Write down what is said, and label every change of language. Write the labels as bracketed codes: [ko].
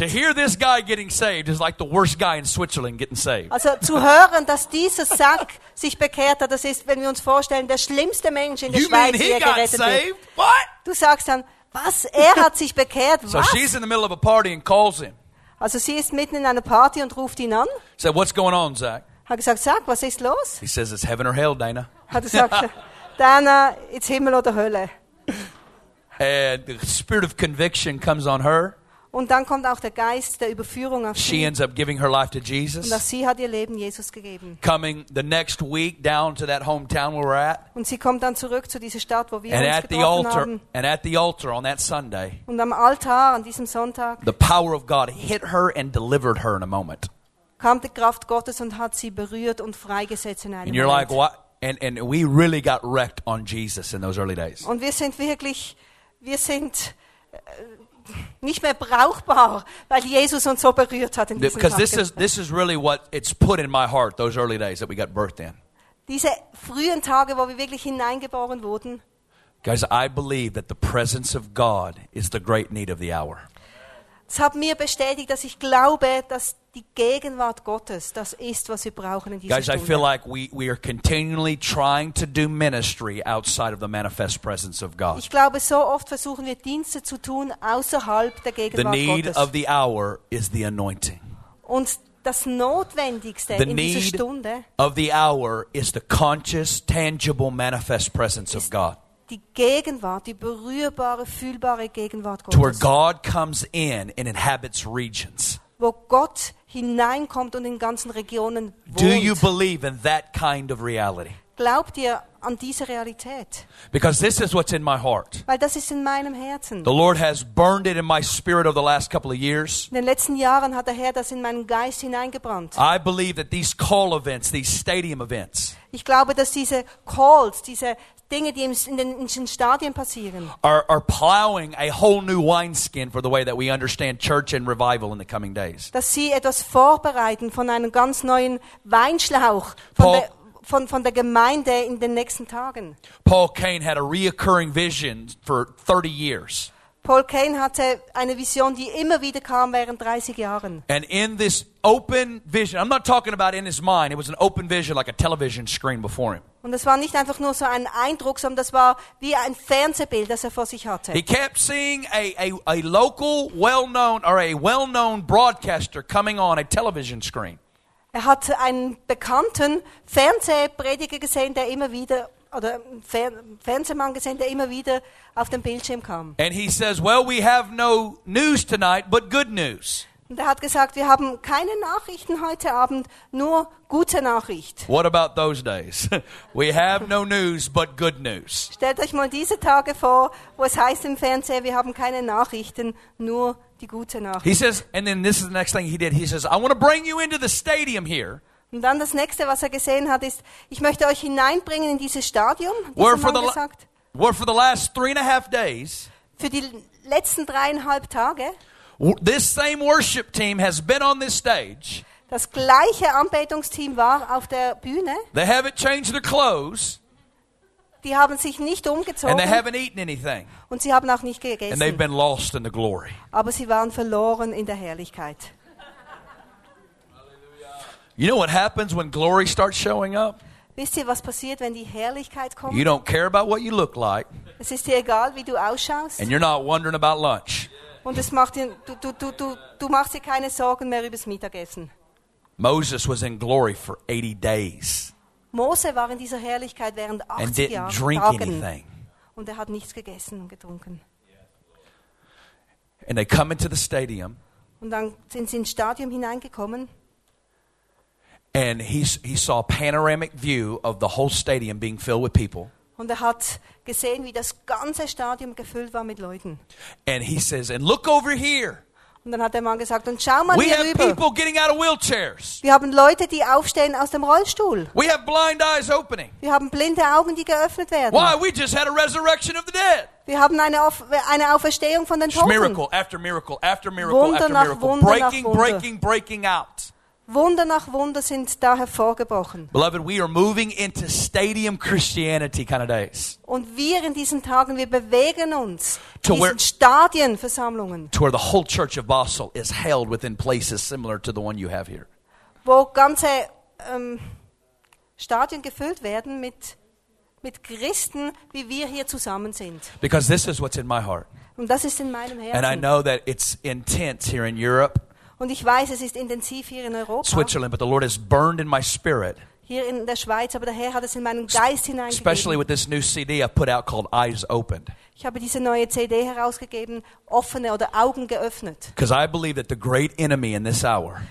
[en] To hear this guy getting saved is like the worst guy in Switzerland getting saved. [de] Also zu hören, dass dieser Zach sich bekehrt hat, das ist, wenn wir uns vorstellen, der schlimmste Mensch in der Schweiz, der gerettet wird. [en] You mean he got saved? What? [de] Du sagst dann, was? Er hat sich bekehrt? Was? [en] So she's in the middle of a party and calls him. [de] Also sie ist mitten in einer Party und ruft ihn an. [en] So what's going on, Zach? [de] Hat gesagt, Zach, was ist los? [en] He says it's heaven or hell, Dana. [de] Hat gesagt, Dana, [en] it's [de] Himmel oder Hölle. [en] And the spirit of conviction comes on her. [de] Und dann kommt auch der Geist der Überführung auf sie. [en] She ends up giving her life to Jesus. [de] Und sie hat ihr Leben Jesus gegeben. [en] Coming the next week down to that hometown where we're at. [de] Und sie kommt dann zurück zu dieser Stadt, wo wir [en] and [de] uns [en] at [de] getroffen [en] the altar, [de] haben. [en] And at the altar on that Sunday. [de] Und am Altar an diesem Sonntag. [en] The power of God hit her and delivered her in a moment. [de] Kam die Kraft Gottes und hat sie berührt und freigesetzt in einem Moment. [en] And you're like, what? And we really got wrecked on Jesus in those early days. [de] Und wir sind wirklich, wir sind nicht mehr brauchbar, weil Jesus uns so berührt hat in diesen Tagen. [en] Because this is really what it's put in my heart, those early days that we got birthed in. [de] Diese frühen Tage, wo wir wirklich hineingeboren wurden. [en] Guys, I believe that the presence of God is the great need of the hour. [de] Es hat mir bestätigt, dass ich glaube, dass die Gegenwart Gottes, das ist, was wir brauchen in dieser [en] Guys, [de] Stunde. [en] Guys, I feel like we are continually trying to do ministry outside of the manifest presence of God. [de] Ich glaube, so oft versuchen wir Dienste zu tun außerhalb der Gegenwart [en] the need [de] Gottes. [en] Of the hour is the anointing. [de] Und das Notwendigste [en] the [de] in [en] need [de] dieser Stunde [en] of the hour is the conscious, tangible manifest presence of God. [de] die Gegenwart, die berührbare, fühlbare Gegenwart Gottes. [en] To where God comes in and inhabits regions. [de] Wo Gott hineinkommt und in ganzen Regionen wohnt. [en] Do you believe in that kind of reality? [de] Glaubt ihr an diese Realität? [en] Because this is what's in my heart. [de] Weil das ist in meinem Herzen. [en] The Lord has burned it in my spirit over the last couple of years. [de] In den letzten Jahren hat der Herr das in meinen Geist hineingebrannt. [en] I believe that these call events, these stadium events. [de] Ich glaube, dass diese Calls, diese Dinge, die in den Stadien passieren, [en] are plowing a whole new wineskin for the way that we understand church and revival in the coming days. [de] Dass sie etwas vorbereiten von einem ganz neuen Weinschlauch von der Gemeinde in den nächsten Tagen. [en] Paul Kane had a reoccurring vision for 30 years. [de] Paul Kane hatte eine Vision, die immer wieder kam während 30 Jahren. [en] And in this open vision, I'm not talking about in his mind, it was an open vision like a television screen before him. [de] Und das war nicht einfach nur so ein Eindruck, sondern das war wie ein Fernsehbild, das vor sich hatte. [en] He kept seeing a local well-known or a well-known broadcaster coming on a television screen. [de] Er hat einen bekannten Fernsehprediger gesehen, der immer wieder oder Fernsehmann gesehen, der immer wieder auf den Bildschirm kam. [en] And he says, "Well, we have no news tonight, but good news." [de] Und er hat gesagt, wir haben keine Nachrichten heute Abend, nur gute Nachricht. [en] What about those days? We have no news, but good news. [de] Stellt euch mal diese Tage vor, wo es heißt im Fernsehen, wir haben keine Nachrichten, nur die gute Nachricht. [en] He says, and then this is the next thing he did. He says, "I want to bring you into the stadium here." [de] Und dann das nächste, was er gesehen hat, ist, ich möchte euch hineinbringen in dieses Stadium. [en] Where for the last 3.5 days, [de] für die letzten 3.5 Tage, [en] this same worship team has been on this stage. [de] Das gleiche Anbetungsteam war auf der Bühne. [en] They haven't changed their clothes. [de] Die haben sich nicht umgezogen. [en] And they haven't eaten anything. [de] Und sie haben auch nicht gegessen. [en] And they've been lost in the glory. [de] Aber sie waren verloren in der Herrlichkeit. [en] You know what happens when glory starts showing up? [de] Wisst ihr, was passiert, wenn die Herrlichkeit kommt? [en] You don't care about what you look like. [de] Es ist dir egal, wie du ausschaust. [en] And you're not wondering about lunch. [de] Und es macht dir, du machst dir keine Sorgen mehr über das Mittagessen. [en] Moses was in glory for 80 days. [de] Mose war in dieser Herrlichkeit während 80 [en] and didn't [de] Jahren [en] drink [de] Tagen. [en] Anything. [de] Und er hat nichts gegessen und getrunken. [en] And they come into the stadium. [de] Und dann sind sie ins Stadion hineingekommen. [en] And he saw a panoramic view of the whole stadium being filled with people. [de] Und er hat gesehen, wie das ganze Stadion gefüllt war mit Leuten. [en] And he says, "And look over here." [de] Und dann hat der Mann gesagt, und schau mal [en] we [de] hier [en] have [de] rüber. [en] People getting out of wheelchairs. [de] Wir haben Leute, die aufstehen aus dem Rollstuhl. [en] We have blind eyes opening. [de] Wir haben blinde Augen, die geöffnet werden. [en] Why? We just had a resurrection of the dead. [de] Wir haben eine Auferstehung von den Toten. [en] Miracle after miracle after miracle after miracle. [de] Wunder [en] breaking, [de] nach Wunder. [en] Breaking, breaking out. [de] Wunder nach Wunder sind da hervorgebrochen. [en] Beloved, we are moving into stadium Christianity kind of days. [de] Und wir in diesen Tagen, wir bewegen uns [en] to [de] diesen Stadienversammlungen. [en] To where the whole church of Basel is held within places similar to the one you have here. [de] Wo ganze Stadien gefüllt werden mit Christen, wie wir hier zusammen sind. [en] Because this is what's in my heart. [de] Und das ist in meinem Herzen. [en] And I know that it's intense here in Europe. [de] Und ich weiß, es ist intensiv hier in Europa. [en] Switzerland, but the Lord has burned in my spirit. [de] Hier in der Schweiz, aber der Herr hat es in meinen Geist hineingegeben. [en] Especially with this new CD I put out called Eyes Opened. [de] Ich habe diese neue CD herausgegeben, offene oder Augen geöffnet. [en] Because I believe that the great enemy in this hour.